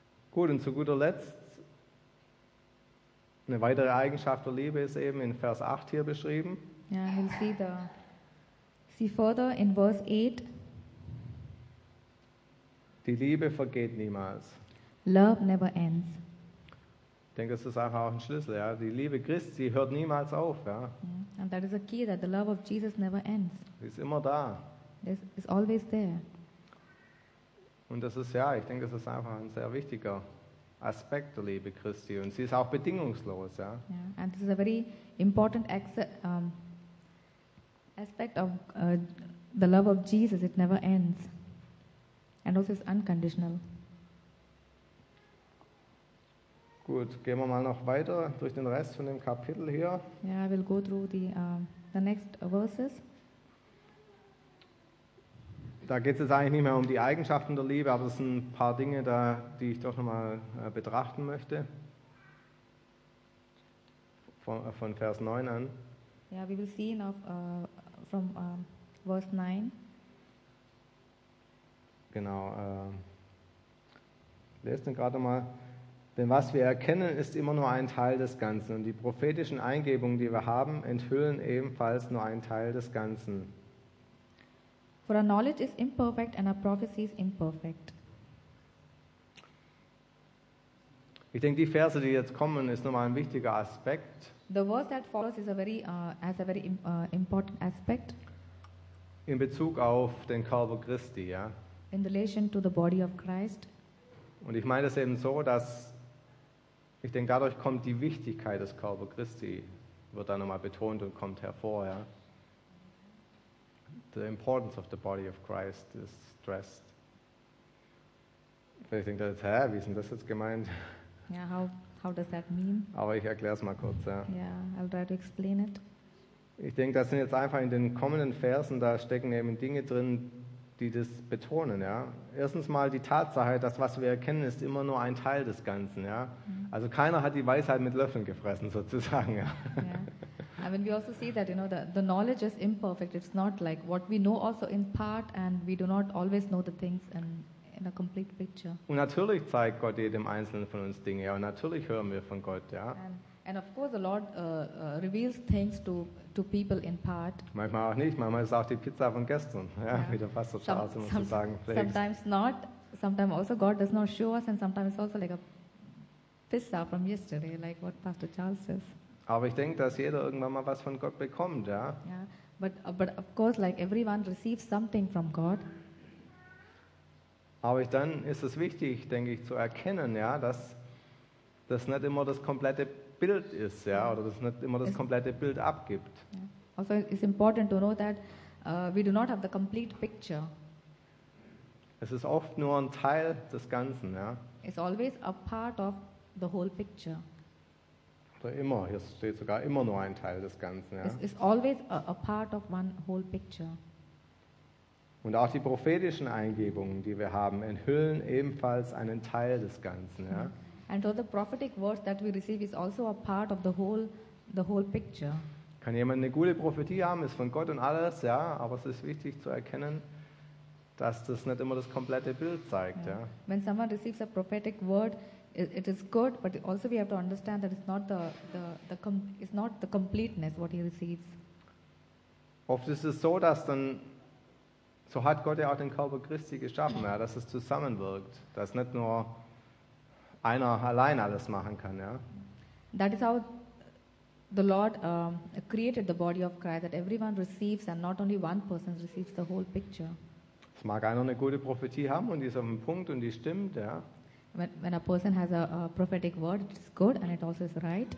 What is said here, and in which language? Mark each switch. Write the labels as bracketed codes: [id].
[de] Gut, und zu guter Letzt, eine weitere Eigenschaft der Liebe ist eben in Vers 8 hier beschrieben. [en] Yeah, we'll see further in verse 8. [de] Die Liebe vergeht niemals. [en] Love never ends. [de] Ich denke, das ist einfach auch ein Schlüssel. Ja. Die Liebe Christi hört niemals auf. Ja. [en] And that is a key, that the love of Jesus never ends. [de] Sie ist immer da. [en] It's always there. [de] Und das ist, ja, ich denke, das ist einfach ein sehr wichtiger Aspekt der Liebe Christi. Und sie ist auch bedingungslos. Ja. [en] Yeah. And this is a very important aspect of the love of Jesus. It never ends. And also it's unconditional. [de] Gut, gehen wir mal noch weiter durch den Rest von dem Kapitel hier. [en] Yeah, I will go through the next verses. [de] Da geht es jetzt eigentlich nicht mehr um die Eigenschaften der Liebe, aber es sind ein paar Dinge da, die ich doch nochmal betrachten möchte. Von Vers 9 an. [en] Yeah, we will see now from verse 9. [de] Genau. Lest den gerade mal. Denn was wir erkennen, ist immer nur ein Teil des Ganzen. Und die prophetischen Eingebungen, die wir haben, enthüllen ebenfalls nur einen Teil des Ganzen. [en] For our knowledge is imperfect and our prophecy is imperfect. [de] Ich denke, die Verse, die jetzt kommen, ist nochmal ein wichtiger Aspekt. [en] The verse that follows is a very, has a very important aspect. [de] In Bezug auf den Körper Christi, ja. [en] In relation to the body of Christ. [de] Und ich meine das eben so, dass ich denke, dadurch kommt die Wichtigkeit des Körper Christi, wird da nochmal betont und kommt hervor, ja. [en] The importance of the body of Christ is stressed. [de] Und ich denke, hä, wie ist denn das jetzt gemeint? [en] Ja, yeah, how does that mean? [de] Aber ich erkläre es mal kurz, ja. [en] Yeah, I'll try to explain it. [de] Ich denke, das sind jetzt einfach in den kommenden Versen, da stecken eben Dinge drin, die das betonen, ja. Erstens mal die Tatsache, dass was wir erkennen, ist immer nur ein Teil des Ganzen, ja. Also keiner hat die Weisheit mit Löffeln gefressen, sozusagen, ja. [en] Yeah. I mean, we also see that, you know, the knowledge is imperfect. It's not like what we know also in part, and we do not always know the things in a complete picture. [de] Und natürlich zeigt Gott jedem Einzelnen von uns Dinge, ja. Und natürlich hören wir von Gott, ja. [en] And of course, the Lord reveals things to people in part. [de] Manchmal auch nicht. Manchmal ist auch die Pizza von gestern, ja, yeah. Wie der Pastor Charles immer zu sagen pflegt. [en] Sometimes not. Sometimes also God does not show us, and sometimes also like a pizza from yesterday, like what Pastor Charles says. [de] Aber ich denke, dass jeder irgendwann mal was von Gott bekommt, ja. [en] Yeah. But of course, like everyone receives something from God. [de] Aber dann ist es wichtig, denke ich, zu erkennen, ja, dass das nicht immer das komplette Bild ist, ja, oder das nicht immer das komplette Bild abgibt. [en] Also it's important to know that we do not have the complete picture. [de] Es ist oft nur ein Teil des Ganzen, ja. [en] It's always a part of the whole picture. [de] Oder immer, hier steht sogar immer nur ein Teil des Ganzen, ja. [en] It's always a part of one whole picture. [de] Und auch die prophetischen Eingebungen, die wir haben, enthüllen ebenfalls einen Teil des Ganzen, ja. [en] And so the prophetic words that we receive is also a part of the whole picture. [de] Kann jemand eine gute Prophetie haben, ist von Gott und alles, ja, aber es ist wichtig zu erkennen, dass das nicht immer das komplette Bild zeigt, yeah. Ja. [en] When someone receives a prophetic word, it is good, but also we have to understand that it's not the completeness what he receives. [de] Oft ist es so, dass dann so hat Gott ja auch den Körper Christi geschaffen, ja, dass es zusammenwirkt, dass nicht nur einer allein alles machen kann, ja. [en] That is how the Lord created the body of Christ, that everyone receives and not only one person receives the whole picture. [de] Es mag einer eine gute Prophetie haben und die ist auf dem Punkt und die stimmt, ja. [en] When a person has a prophetic word, it's good and it also is right.